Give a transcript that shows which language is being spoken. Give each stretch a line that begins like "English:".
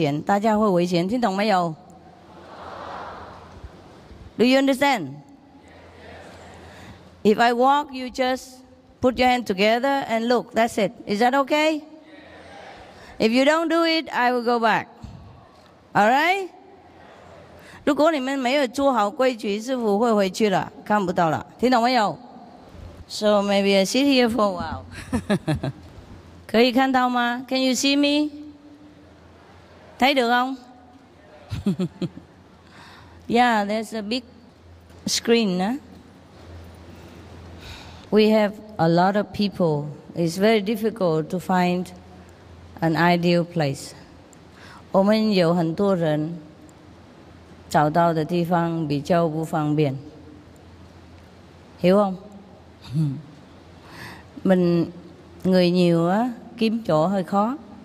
Chinese: 你们不要急来急去，师傅会受伤，会危险，大家会危险，听懂没有？
English: Do you understand? If I walk, you just put your hand together and look. That's it. Is that okay? If you don't do it, I will go back. All right?
Chinese: 如果你们没有做好规矩，师傅会回去了，看不到了。听懂没有？
English: So maybe I sit here for a while.
Chinese: 可以看到吗?
English: Can you see me?
Chinese: 看得到吗?
English: Yeah, there's a big screen. We have a lot of people. It's very difficult to find an ideal place.
Chinese: 我们有很多人, 找到的地方比较不方便.
Vietnamese: Hiểu không? Mình người nhiều á, kiếm chỗ hơi khó.